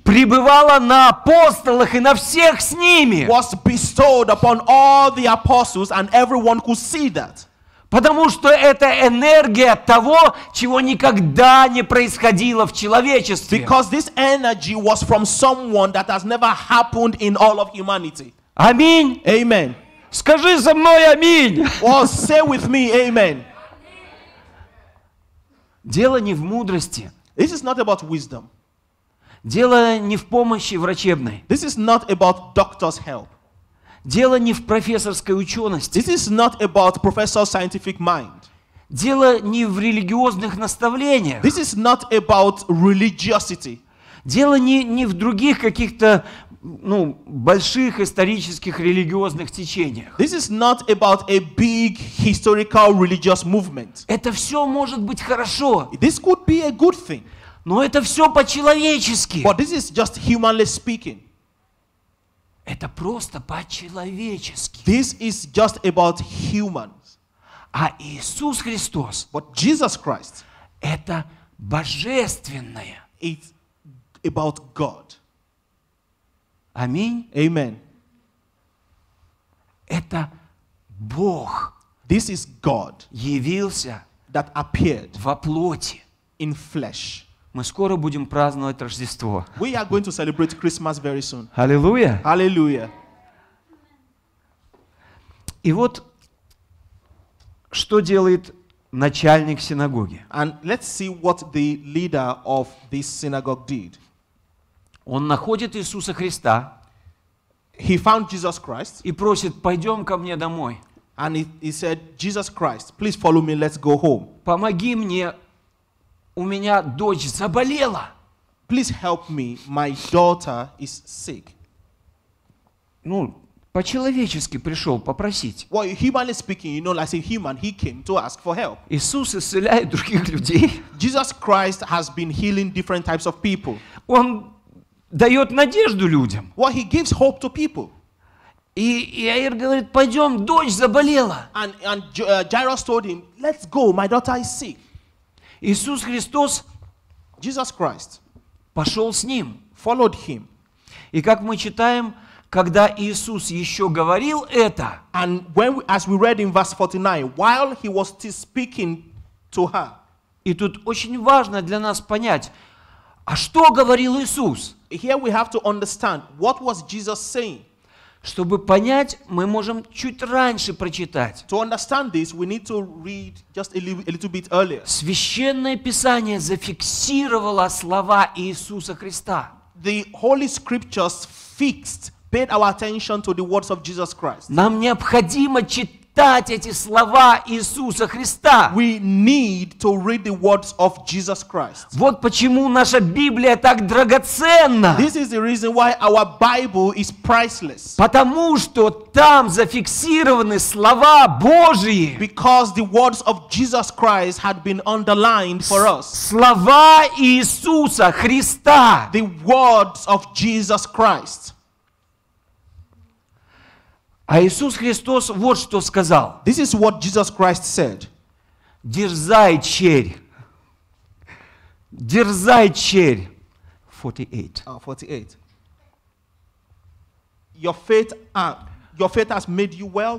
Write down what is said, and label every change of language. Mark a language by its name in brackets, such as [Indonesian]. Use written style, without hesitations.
[Russian] пребывала на апостолах и на всех с ними. [English] Was bestowed upon all the apostles and everyone could see that. [Russian] Потому что это энергия того, чего никогда не происходило в человечестве. [English] Because this energy was from someone that has never happened in all of humanity. [Russian] Аминь. [English] Amen. [Russian] Скажи со мной аминь. [English] Well, say with me, amen. [Russian] Дело не в мудрости. [English] This is not about wisdom. [Russian] Дело не в помощи врачебной. [English] This is not about doctor's help. [Russian] Дело не в профессорской учености. [English] This is not about professor's scientific mind. [Russian] Дело не в религиозных наставлениях. [English] This is not about religiosity. [Russian] Дело не в других каких-то больших исторических религиозных течениях. [English] This is not about a big historical religious movement. [Russian] Это все может быть хорошо. [English] This could be a good thing. [Russian] Но это все по-человечески. [English] But this is just humanly speaking. [Russian] Это просто по-человечески. [English] This is just about humans. [Russian] А Иисус Христос. [English] But Jesus Christ. [Russian] Это божественное. [English] It's about God. [Russian] Аминь. [English] Amen. [Russian] Это Бог. [English] This is God. [Russian] Явился. [English] That appeared. [Russian] Во плоти. [English] In flesh. [Russian] Мы скоро будем праздновать Рождество. [English] We are going to celebrate Christmas very soon. [Russian] Аллилуйя. Аллилуйя. И вот что делает начальник синагоги. [English] And let's see what the leader of this synagogue did. [Russian] Он находит Иисуса Христа. [English] He found Jesus Christ. [Russian] И просит: пойдем ко мне домой. [English] And he said, Jesus Christ, please follow me. Let's go home. [Russian] Помоги мне. У меня дочь заболела. [English] Please help me. My daughter is sick. [Russian] По-человечески пришел попросить. [English] Well, humanly speaking, like a human, he came to ask for help. [Russian] Иисус исцеляет других людей. [English] Jesus Christ has been healing different types of people. [Russian] Он дает надежду людям. [English] Well, he gives hope to people. [Russian] И Иаир говорит: пойдем, дочь заболела. [English] And Jairus told him, let's go. My daughter is sick. [Russian] Иисус Христос, [English] Jesus Christ, [Russian] пошел с ним, [English] followed him. [Russian] И как мы читаем, когда Иисус еще говорил это, [English] and when we, as we read in verse 49, while he was still speaking to her, [Russian] и тут очень важно для нас понять, а что говорил Иисус? [English] Here we have to understand what was Jesus saying. [Russian] Чтобы понять, мы можем чуть раньше прочитать. [English] To understand this, we need to read just a little bit earlier. [Russian] Священное Писание зафиксировало слова Иисуса Христа. [English] The Holy Scriptures fixed paid our attention to the words of Jesus Christ. [Russian] Нам необходимо читать эти слова Иисуса Христа. [English] We need to read the words of Jesus Christ. [Russian] Вот почему наша Библия так драгоценна. [English] This is the reason why our Bible is priceless. [Russian] Потому что там зафиксированы слова Божьи. [English] Because the words of Jesus Christ had been underlined for us. [Russian] Слова Иисуса Христа. [English] The words of Jesus Christ. [Russian] А Иисус Христос вот что сказал. [English] This is what Jesus Christ said. [Russian] Дерзай, червь. Дерзай, червь. 48. [English] Oh, 48. Your faith has made you well.